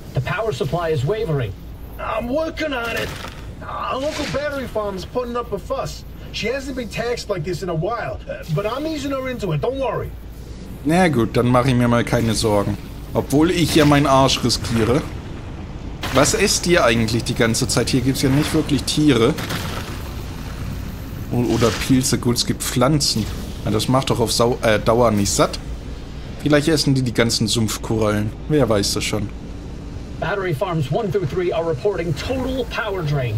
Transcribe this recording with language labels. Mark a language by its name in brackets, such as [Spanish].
[English] The power supply is wavering. I'm working on it. Our local battery farm is putting up a fuss. She hasn't been taxed like this in a while. But I'm easing her into it, don't worry. [German] Na gut, dann mache ich mir mal keine Sorgen. Obwohl ich ja meinen Arsch riskiere. Was esst ihr eigentlich die ganze Zeit? Hier gibt es ja nicht wirklich Tiere. Oder Pilze. Gut, es gibt Pflanzen. Ja, das macht doch auf Dauer nicht satt. Vielleicht essen die ganzen Sumpfkorallen. Wer weiß das schon. [English] Battery Farms 1 through 3 are reporting total power drain.